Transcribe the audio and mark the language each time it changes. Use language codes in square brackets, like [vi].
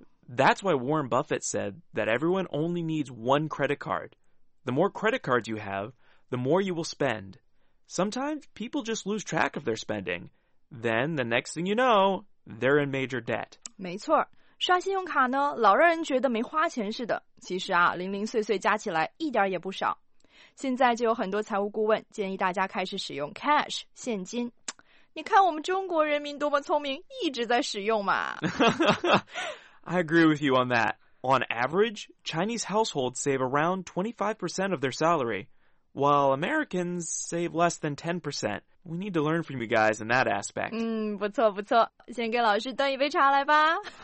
[en] That's why Warren Buffett said that everyone only needs one credit card. The more credit cards you have, the more you will spend. Sometimes people just lose track of their spending. Then the next thing you know, they're in major debt. [zh] 没错，刷信用卡呢，老让人觉得没花钱似的。其实啊，零零碎碎加起来一点也不少。现在就有很多财务顾问建议大家开始使用 cash, 现金。你看我们中国人民多么聪明，一直在使用嘛。 [en] I agree with you on that. On average, Chinese households save around 25% of their salary, while Americans save less than 10%. We need to learn from you guys in that aspect. [zh] 不错不错，先给老师端一杯茶来吧。